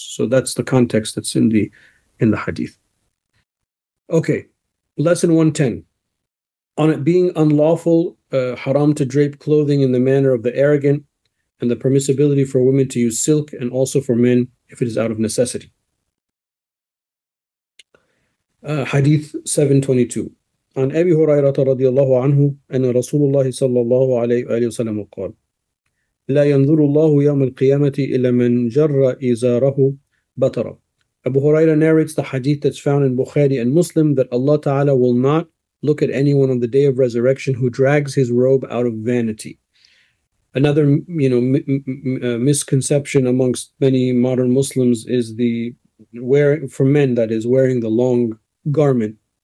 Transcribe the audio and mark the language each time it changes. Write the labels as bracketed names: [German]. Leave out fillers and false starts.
[English] So that's the context that's in the hadith. Okay, lesson 110. On it being unlawful, haram to drape clothing in the manner of the arrogant, and the permissibility for women to use silk and also for men if it is out of necessity. Hadith 722. [Arabic] عن أبي هريرة رضي الله عنه أن رسول الله صلى الله عليه وآله وسلم قال لا ينظر الله يوم القيامة إلى من جر إزاره بطرا [English] Abu Huraira narrates the hadith that's found in Bukhari and Muslim that Allah Ta'ala will not look at anyone on the day of resurrection who drags his robe out of vanity. Another, you know, misconception amongst many modern Muslims is the wearing, for men, that is, wearing the long garment.